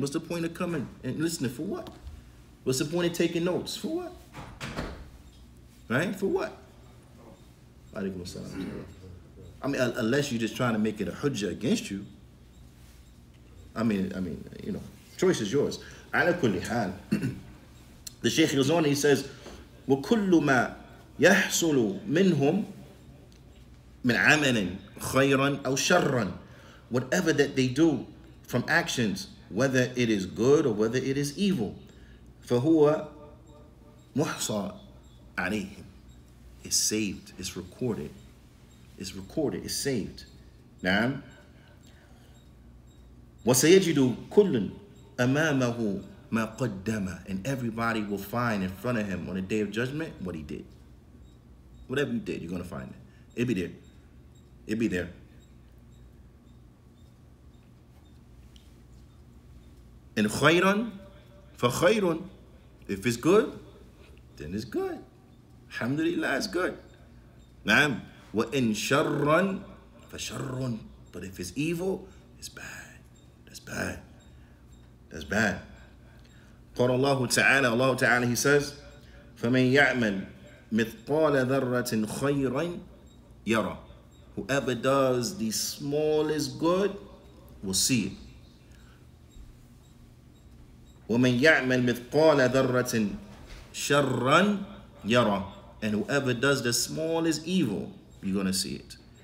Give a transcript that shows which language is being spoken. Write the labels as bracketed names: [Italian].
[English] What's the point of coming and listening? For what? What's the point of taking notes? For what? Right? For what? I mean, unless you're just trying to make it a hujjah against you. I mean, you know, choice is yours. [Arabic] Ala kulli hal. [English] The Sheikh goes on, he says, [Arabic] وَكُلُّ مَا يَحْصُلُ مِنْهُمْ مِنْ عَمَلٍ خَيْرًا أَوْ شَرًّا. [English] Whatever that they do from actions, whether it is good or whether it is evil, [Arabic] فَهُوَ مُحْصَى عَلَيْهِمْ. [English] It's saved, it's recorded. It's recorded, it's saved. Naam. [Arabic] وَسَيَجِدُ كُلٌّ أَمَامَهُ مَا قَدَّمَ. [English] And everybody will find in front of him on the day of judgment what he did. Whatever you did, you're going to find it. It'll be there. It'll be there. [Arabic] And خَيْرًا فَخَيْرٌ. [English] If it's good, then it's good. Alhamdulillah, it's good. [Arabic] نعم. وَإِن شَرًّا فَشَرٌ. [English] But if it's evil, it's bad. That's bad. That's bad. [Arabic] قَالَ اللَّهُ تَعَالَى. [English] Allah Ta'ala, he says, [Arabic] فَمَنْ يَعْمَلْ مِثْقَالَ ذَرَّةٍ خَيْرًا يَرَى. [English] Whoever does the smallest good will see it. [Arabic] وَمَنْ يَعْمَلْ مِثْقَالَ ذَرَّةٍ شَرًّا يَرَى. [English] And whoever does the smallest evil, you're going to see it.